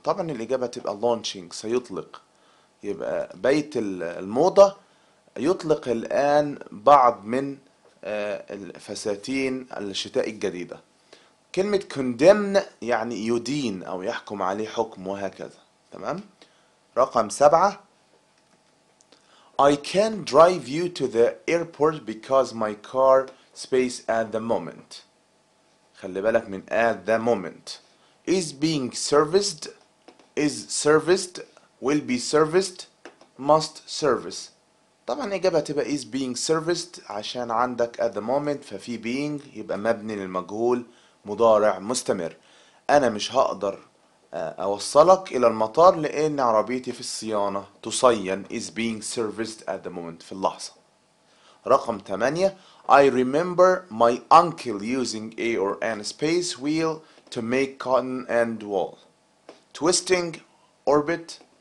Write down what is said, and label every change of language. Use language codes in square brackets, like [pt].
[ar] طبعا الإجابة تبقى launching سيطلق، يبقى بيت الموضة يطلق الآن بعض من الفساتين الشتاء الجديدة. كلمة condemn يعني يدين أو يحكم عليه حكم وهكذا. تمام، رقم 7. [en] I can't drive you to the airport because my car space at the moment. [ar] خلي بالك من [en] at the moment. Is being serviced, is serviced, will be serviced, must service. [ar] طبعا الإجابة تبقى [en] is being serviced [ar] عشان عندك [en] at the moment، [ar] ففي being يبقى مبني للمجهول مضارع مستمر. أنا مش هقدر أوصلك إلى المطار لأن عربيتي في الصيانة تصين. [en] Is being serviced at the moment [ar] في اللحظة. رقم 8. [en] I remember my uncle using a or an space wheel to make cotton and wool. Twisting, orbit,